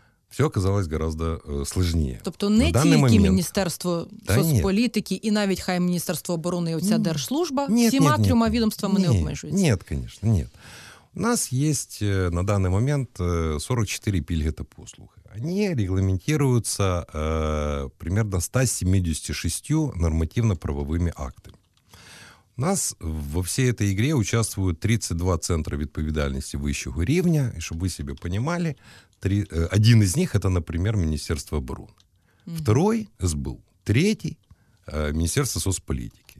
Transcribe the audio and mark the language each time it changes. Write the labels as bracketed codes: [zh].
[ru] Все оказалось гораздо сложнее. [uk] Тобто не тільки момент... Міністерство соцполітики і навіть хай Міністерство оборони і оця Держслужба всіма трьома відомствами не обмежується? Ні, звісно, ні. У нас є на даний момент 44 пільги та послуги. Вони регламентуються приблизно 176 нормативно-правовими актами. [ru] У нас во всей этой игре участвуют 32 центра [uk] відповідальності вищого рівня. І щоб ви себе [ru] понимали, один из них – это, например, Министерство обороны. Второй – СБУ. Третий – Министерство соцполитики.